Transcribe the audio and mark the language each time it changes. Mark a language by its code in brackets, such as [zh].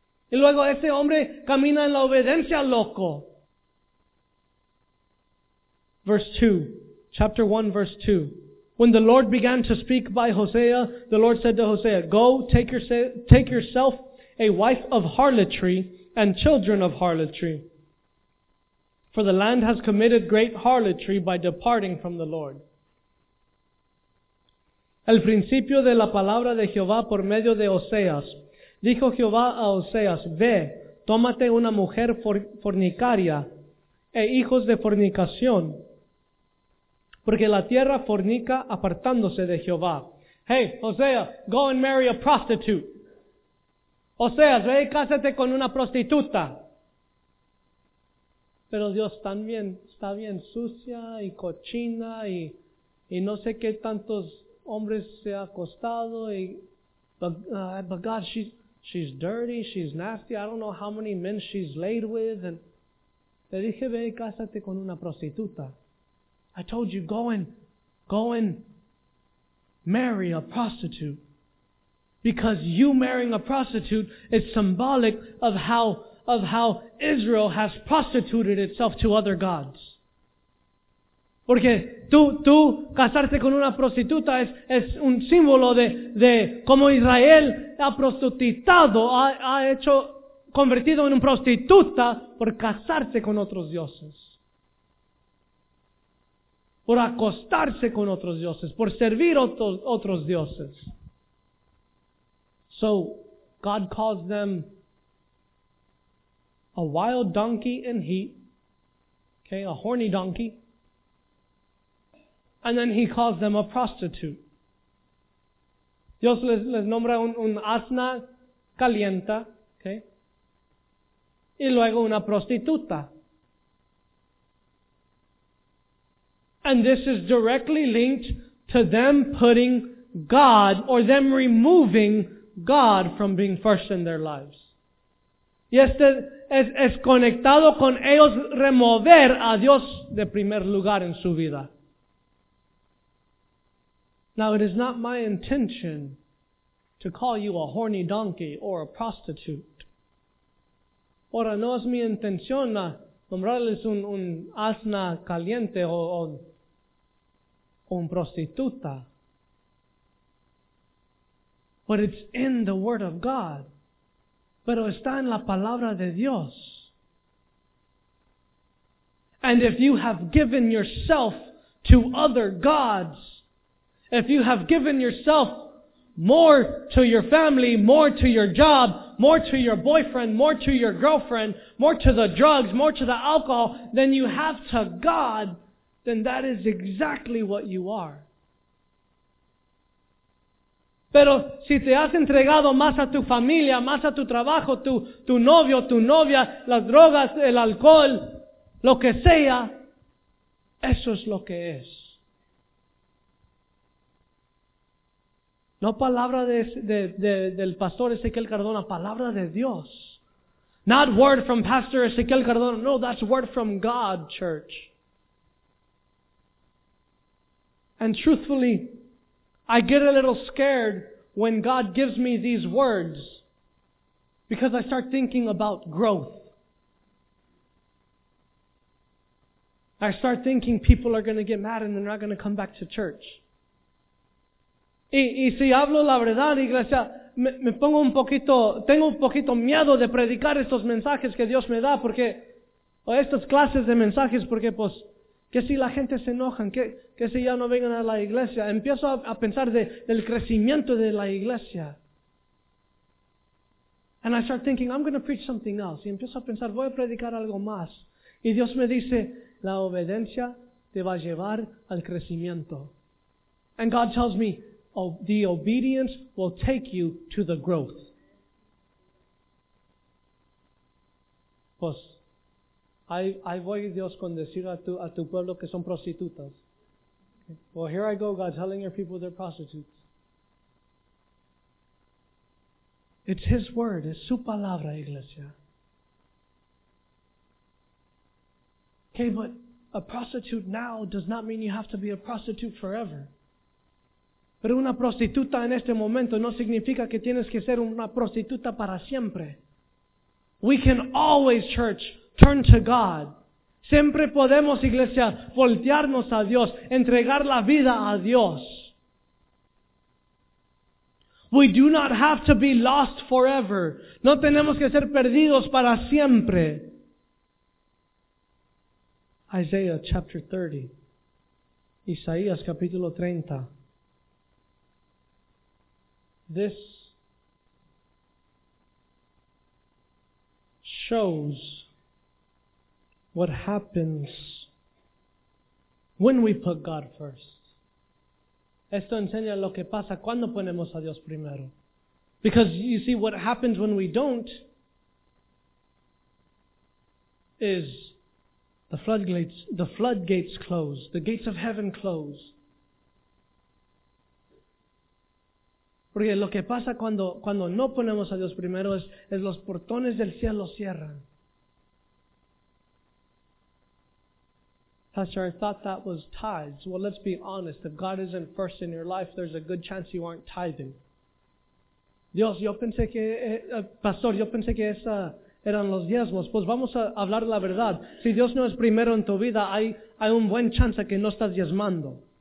[es] Y luego este hombre camina en la obediencia loco. [en] Verse 2, chapter 1, verse 2. When the Lord began to speak by Hosea, the Lord said to Hosea, go, take yourself a wife of harlotry and children of harlotry. For the land has committed great harlotry by departing from the Lord. [es] El principio de la palabra de Jehová por medio de Oseas. Dijo Jehová a Oseas, ve, tómate una mujer fornicaria e hijos de fornicación, porque la tierra fornica apartándose de Jehová. [en] Hey, Hosea, go and marry a prostitute. [es] Oseas, ve y cásate con una prostituta. Pero Dios también está bien sucia y cochina y no sé qué tantos hombres se ha acostado y [en] but God, she's dirty, she's nasty, I don't know how many men she's laid with. And [es] le dije, ve y cásate con una prostituta. [en] I told you, go and marry a prostitute. Because you marrying a prostitute is symbolic of how Israel has prostituted itself to other gods. [es] Porque tú casarte con una prostituta es un símbolo de cómo Israel ha prostitutado, ha hecho convertido en un prostituta por casarse con otros dioses. Por acostarse con otros dioses, por servir otros dioses. [en] So, God calls them a wild donkey in heat, okay, a horny donkey. And then he calls them a prostitute. [es] Dios les nombra un asna caliente, okay, y luego una prostituta. [en] And this is directly linked to them putting God, or them removing God from being first in their lives. [es] Y este es conectado con ellos remover a Dios de primer lugar en su vida. [en] Now it is not my intention to call you a horny donkey or a prostitute. [es] Ahora no es mi intención nombrarles un asna caliente o un prostituta. [en] But it's in the Word of God. [es] Pero está en la palabra de Dios. [en] And if you have given yourself to other gods, if you have given yourself more to your family, more to your job, more to your boyfriend, more to your girlfriend, more to the drugs, more to the alcohol than you have to God, then that is exactly what you are. [es] Pero si te has entregado más a tu familia, más a tu trabajo, tu novio, tu novia, las drogas, el alcohol, lo que sea, eso es lo que es. No palabra del pastor Ezequiel Cardona, palabra de Dios. [en] Not word from Pastor Ezequiel Cardona. No, that's word from God, church. And truthfully, I get a little scared when God gives me these words because I start thinking about growth. I start thinking people are going to get mad and they're not going to come back to church. [es] Y si hablo la verdad, iglesia, tengo un poquito miedo de predicar estos mensajes que Dios me da, porque, o estas clases de mensajes, porque pues, ¿qué si la gente se enoja? ¿Qué si ya no vengan a la iglesia? Empiezo a pensar del crecimiento de la iglesia. [en] And I start thinking, I'm going to preach something else. [es] Y empiezo a pensar, voy a predicar algo más. Y Dios me dice, la obediencia te va a llevar al crecimiento. [en] And God tells me, the obedience will take you to the growth. [es] Pues, ahí voy Dios con decir a tu pueblo que son prostitutas. [en] Well, here I go, God, telling your people they're prostitutes. It's His word. [es] Es su palabra, iglesia. [en] Okay, but a prostitute now does not mean you have to be a prostitute forever. [es] Pero una prostituta en este momento no significa que tienes que ser una prostituta para siempre. [en] We can always, church, turn to God. [es] Siempre podemos, iglesia, voltearnos a Dios, entregar la vida a Dios. [en] We do not have to be lost forever. [es] No tenemos que ser perdidos para siempre. [en] Isaiah chapter 30. [es] Isaías capítulo 30. [en] This shows what happens when we put God first. [es] Esto enseña lo que pasa cuando ponemos a Dios primero. [en] Because you see, what happens when we don't is the floodgates close, the gates of heaven close. [es] Porque lo que pasa cuando no ponemos a Dios primero es los portones del cielo cierran. [en] Pastor, I thought that was tithes. Well, let's be honest. If God isn't first in your life, there's a good chance you aren't tithing. [es] Dios, yo pensé que, Pastor, yo pensé que esa eran los diezmos. Pues vamos a hablar la verdad. Si Dios no es primero en tu vida, hay un buen chance que no estás diezmando.